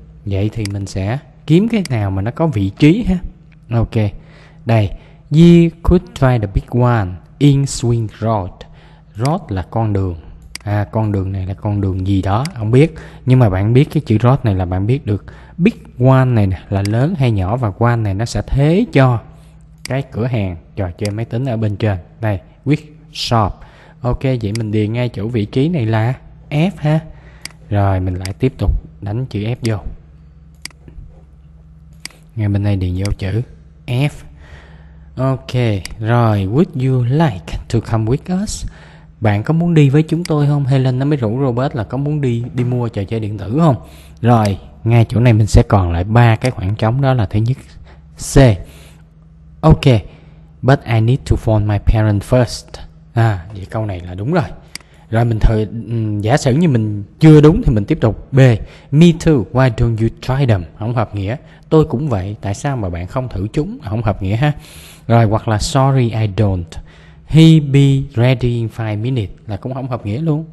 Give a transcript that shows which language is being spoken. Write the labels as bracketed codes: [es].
[vi] Vậy thì mình sẽ kiếm cái nào mà nó có vị trí ha. [en] Ok, đây, you could try the big one in Swing Road. [vi] Road là con đường. Con đường này là con đường gì đó, không biết. Nhưng mà bạn biết cái chữ road này là bạn biết được. Big one này nè, là lớn hay nhỏ. Và one này nó sẽ thế cho cái cửa hàng trò chơi máy tính ở bên trên. Đây, which shop. Ok, vậy mình điền ngay chỗ vị trí này là F ha. Rồi, mình lại tiếp tục đánh chữ F vô. Ngay bên đây điền vô chữ F. [en] Ok, rồi, would you like to come with us? [vi] Bạn có muốn đi với chúng tôi không? Helen nó mới rủ Robert là có muốn đi mua trò chơi điện tử không? Rồi, ngay chỗ này mình sẽ còn lại ba cái khoảng trống, đó là thứ nhất C. [en] Ok, but I need to phone my parents first. [vi] À, vậy câu này là đúng rồi. Rồi mình thử, giả sử như mình chưa đúng thì mình tiếp tục B. [en] Me too, why don't you try them? [vi] Không hợp nghĩa. Tôi cũng vậy, tại sao mà bạn không thử chúng? Không hợp nghĩa ha. Rồi hoặc là [en] sorry I don't, he be ready in 5 minutes [vi] là cũng không hợp nghĩa luôn.